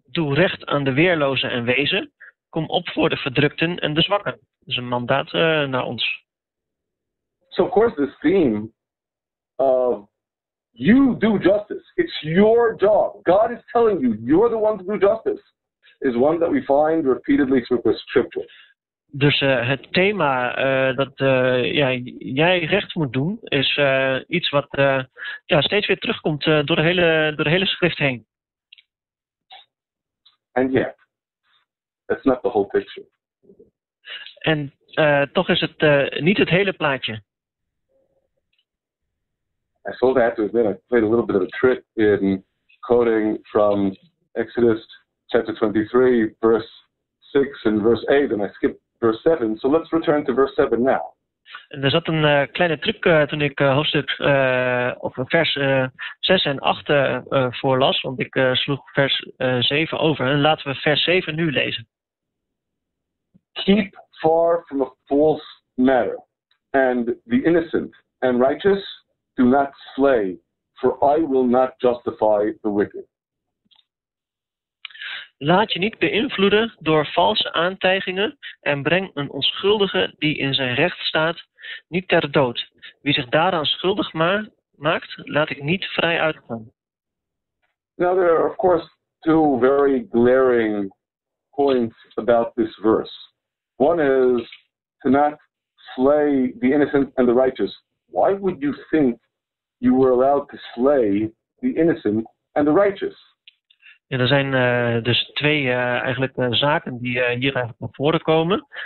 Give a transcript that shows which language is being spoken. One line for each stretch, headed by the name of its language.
Dutch: Doe recht aan de weerlozen en wezen. Kom op voor de verdrukten en de zwakken. Dat is een mandaat naar ons.
English: So of course this theme of you do justice. It's your job. God is telling you, you're the one to do justice. Is one that we find repeatedly through the scripture.
Dutch: Dus het thema dat jij recht moet doen, is iets wat steeds weer terugkomt door de hele schrift heen.
English: And yet, that's not the whole picture.
Dutch: En toch is het niet het hele plaatje.
English: I sort of have to admit, I played a little bit of a trick in quoting from Exodus chapter 23, verse 6 and verse 8, and I skipped verse 7. So let's return to verse 7 now.
Dutch: En er zat een kleine truc toen ik hoofdstuk of vers 6 en 8 voorlas, want ik sloeg vers 7 over. En laten we vers 7 nu lezen.
English: Keep far from a false matter, and the innocent and righteous do not slay, for I will not justify the wicked.
Dutch: Laat je niet beïnvloeden door valse aantijgingen en breng een onschuldige die in zijn recht staat niet ter dood. Wie zich daaraan schuldig maakt, laat ik niet vrij uitgaan.
English: Now there are of course two very glaring points about this verse. One is to not slay the innocent and the righteous. Why would you think you were allowed to slay the innocent and the righteous?
Dutch: Ja, er zijn dus twee eigenlijk zaken die hier eigenlijk naar voren komen.